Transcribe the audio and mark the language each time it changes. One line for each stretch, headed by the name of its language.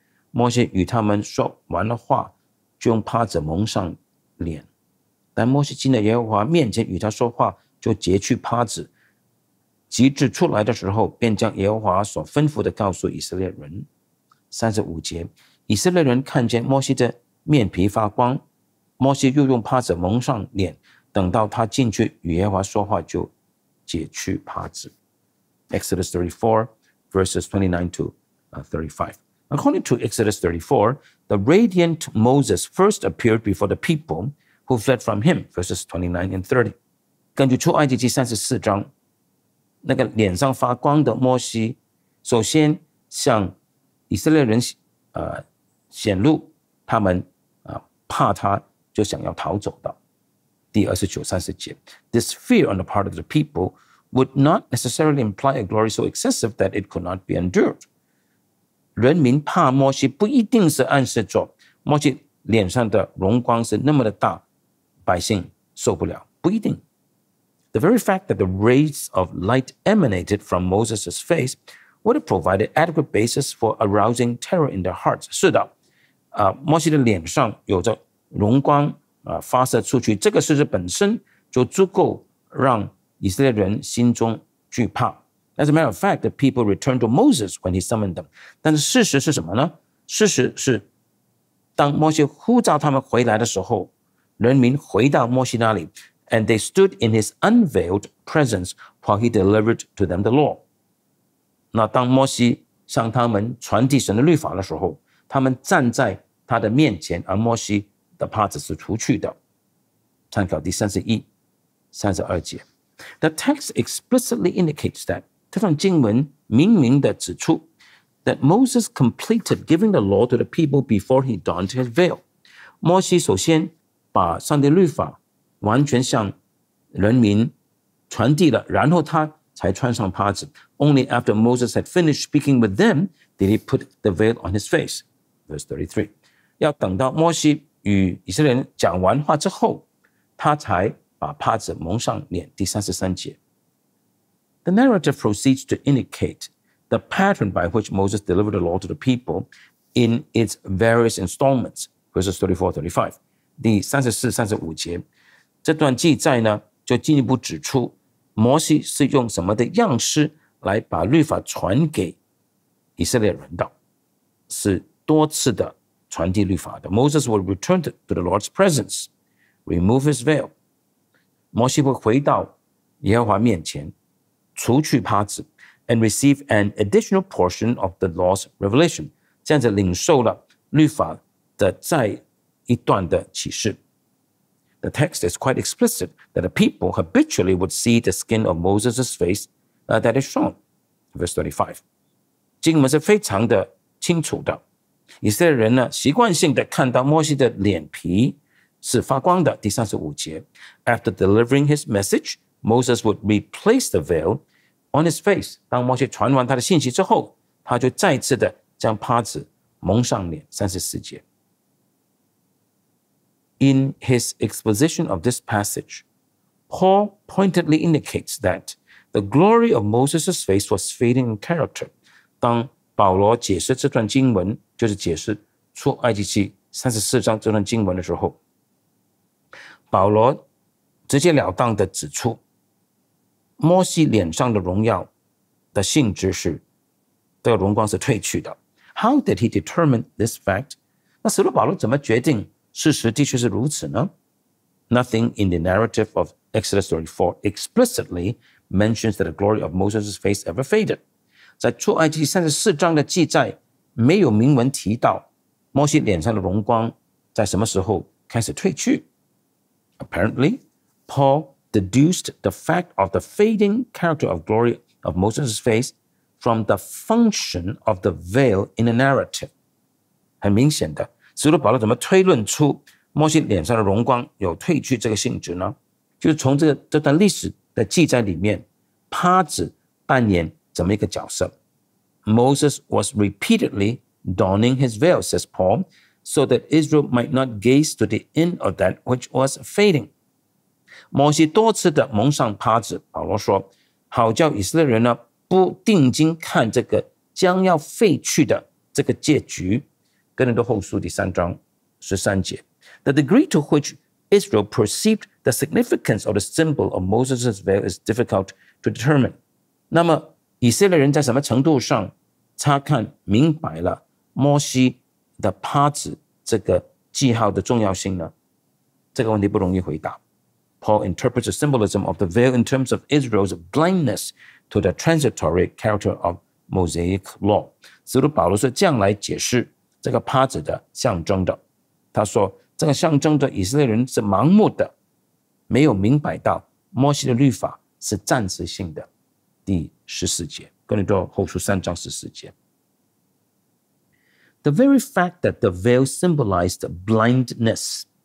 Chinese: 摩西与他们说完了话，就用帕子蒙上脸，但摩西进了耶和华面前与他说话，就截去帕子，及至出来的时候，便将耶和华所吩咐的告诉以色列人。 35节，以色列人看见摩西的面皮发光，摩西又用帕子蒙上脸，等到他进去与耶和华说话，就截去帕子。
English: Exodus 34 verses 29 to 35. According to Exodus 34, the radiant Moses first appeared before the people who fled from him, verses 29 and 30.
Chinese: 根据出埃及记34章，那个脸上发光的摩西首先向以色列人显露他们怕他就想要逃走的。第29-30节，
English: This fear on the part of the people would not necessarily imply a glory so excessive that it could not be endured.
Chinese: 人民怕摩西不一定是暗示着摩西脸上的荣光是那么的大百姓受不了，不一定。
English: The very fact that the rays of light emanated from Moses' face would have provided adequate basis for arousing terror in their hearts.
Chinese: 是的，摩西的脸上有着荣光发射出去，这个事实本身就足够让以色列人心中惧怕。
English: As a matter of fact, the people returned to Moses when he summoned them.
Chinese: 但是事实是什么呢？事实是，当摩西呼召他们回来的时候，人民回到摩西那里。
English: And they stood in his unveiled presence while he delivered to them the law.
Chinese: 那当摩西向他们传递神的律法的时候，他们站在他的面前，而摩西的帕子是除去的。参考第31-32节。
English: The text explicitly indicates that
Chinese: 这段经文明明地指出
English: that Moses completed giving the law to the people before he donned his veil.
Chinese: 摩西首先把上帝律法完全向人民传递了，然后他才穿上帕子。
English: Only after Moses had finished speaking with them did he put the veil on his face. Verse 33.
Chinese: 要等到摩西与以色列人讲完话之后，他才把帕子蒙上脸，第33节。
English: The narrative proceeds to indicate the pattern by which Moses delivered the law to the people in its various installments, verses 34-35.
Chinese: 第34-35节，这段记载呢，就进一步指出摩西是用什么的样式来把律法传给以色列人的，是多次的传递律法的。
English: Moses will return to the Lord's presence, remove his veil.
Chinese: 摩西会回到耶和华面前，除去帕子，
English: and receive an additional portion of the law's revelation.
Chinese: 这样子领受了律法的再一段的启示。
English: The text is quite explicit that the people habitually would see the skin of Moses' face that is shown, verse 35.
Chinese: 经文是非常的清楚的，以色列人呢，习惯性的看到摩西的脸皮是发光的，第35节。
English: After delivering his message, Moses would replace the veil on his face.
Chinese: 当摩西传完他的信息之后，他就再次的将帕子蒙上脸，34节。
English: In his exposition of this passage, Paul pointedly indicates that the glory of Moses' face was fading in character.
Chinese: 当保罗解释这段经文，就是解释出埃及记34章这段经文的时候，保罗直截了当地指出摩西脸上的荣耀的性质是这个荣光是褪去的。
English: How did he determine this fact?
Chinese: 那使徒保罗怎么决定事实的确是如此呢？
English: Nothing in the narrative of Exodus 34 explicitly mentions that the glory of Moses' face ever faded.
Chinese: 在出埃及34章的记载没有明文提到摩西脸上的荣光在什么时候开始褪去。
English: Apparently, Paul deduced the fact of the fading character of glory of Moses' face from the function of the veil in the narrative.
Chinese: 很明显的，使徒保罗怎么推论出摩西脸上的荣光有褪去这个性质呢？就是从这段历史的记载里面，帕子扮演怎么一个角色？
English: Moses was repeatedly donning his veil, says Paul, so that Israel might not gaze to the end of that which was fading.
Chinese: 摩西多次的蒙上帕子，保罗说，好叫以色列人呢不定睛看这个将要废去的这个结局。哥林多后书第三章十三节。
English: The degree to which Israel perceived the significance of the symbol of Moses' veil is difficult to determine.
Chinese: 那么以色列人在什么程度上查看明白了摩西的帕子这个记号的重要性呢？这个问题不容易回答。
English: Paul interprets the symbolism of the veil in terms of Israel's blindness to the transitory character of Mosaic law.
Chinese: 使徒保罗是这样来解释这个帕子的象征的，他说这个象征的以色列人是盲目的，没有明白到摩西的律法是暂时性的。第十四节，哥林多后书三章十四节。
English: The very fact that the veil symbolized blindness,